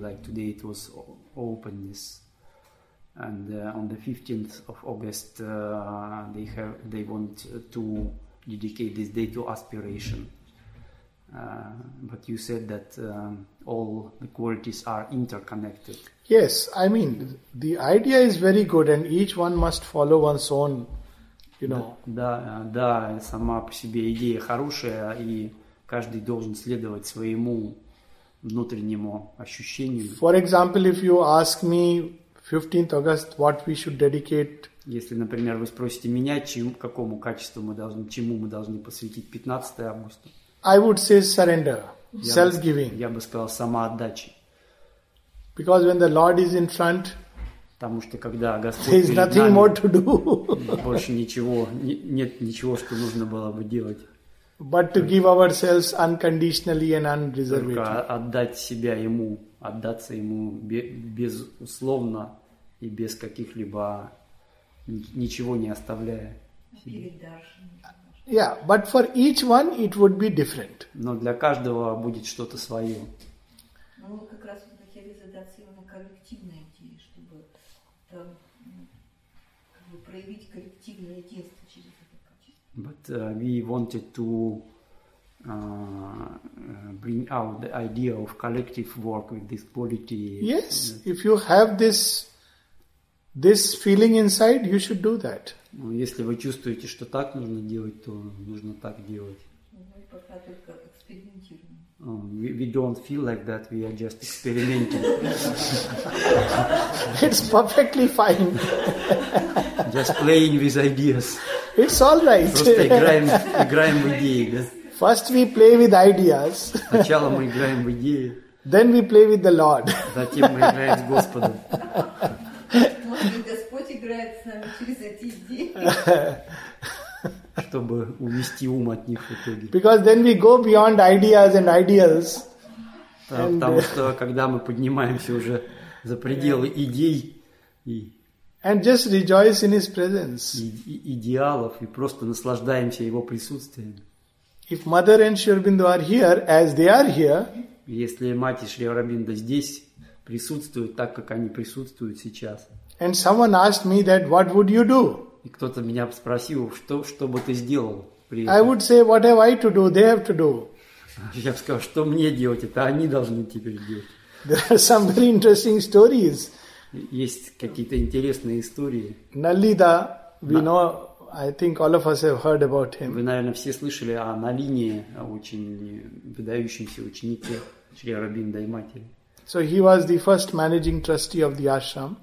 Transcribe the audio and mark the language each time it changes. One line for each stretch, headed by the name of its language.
English: Like today it was openness, and on the 15th of August they want to dedicate this day to aspiration. But you said that all the qualities are interconnected. Yes, I mean, the idea is very good and each one must follow one's own, you know.
Russian: Да, сама по себе идея хорошая, и каждый должен следовать своему внутреннему ощущению.
English: For example, if you ask me 15th August what we should dedicate.
Russian: Если, например, вы спросите меня, какому качеству мы должны, чему мы должны посвятить 15 августа.
English: I would say surrender, self-giving.
Russian: Я бы сказал самоотдачи.
English: Because when the Lord is in front,
Russian: Потому что когда Господь перед нами...
English: There is nothing more to do.
Russian: Больше ничего, нет ничего, что нужно было бы делать.
English: But to give ourselves unconditionally and unreservedly.
Russian: Только отдать себя Ему, отдаться Ему безусловно и без каких-либо... ничего не оставляя себе.
English: Yeah, but for each one it would be different.
Russian: Но для каждого будет что-то свое. Ну, вот как раз мы хотели задаться именно коллективной идеей, чтобы там, как бы проявить коллективное единство через это качество.
English: But we wanted to bring out the idea of collective work with this quality. Yes, if you have this feeling inside, you should do that.
Russian: Ну, если вы чувствуете, что так нужно делать, то нужно так делать. Мы пока только экспериментируем.
English: We don't feel like that. We are just experimenting. It's perfectly fine. Just playing with ideas. It's all right.
Russian: Просто играем в идеи. Да?
English: First we play with ideas.
Russian: Сначала мы играем в идеи.
English: Then we play with the Lord.
Russian: Затем мы играем с Господом. Господь играет с нами через эти идеи. Чтобы увести ум от них в итоге.
English: Because then we go beyond ideas and ideals.
Russian: Потому что когда мы поднимаемся уже за пределы идей и...
English: And just rejoice in his presence.
Russian: Идеалов и просто наслаждаемся его присутствием.
English: If Mother and Sri Aurobindo are here, as they are here...
Russian: Если мать и Шри Аурабинда здесь присутствуют так, как они присутствуют сейчас.
English: And someone asked me that, what would you do?
Russian: И кто-то меня спросил, что бы ты сделал при этом?
English: I would say, what have I to do? They have to do.
Russian: Я бы сказал, что мне делать? Это они должны теперь делать.
English: There are some very interesting stories.
Russian: Есть какие-то интересные истории.
English: Налида, we know, I think all of us have heard about him.
Russian: Вы, наверное, все слышали о Налине, о очень выдающемся ученике Шри Аурабинда и матери.
English: So he was the first managing trustee of the ashram.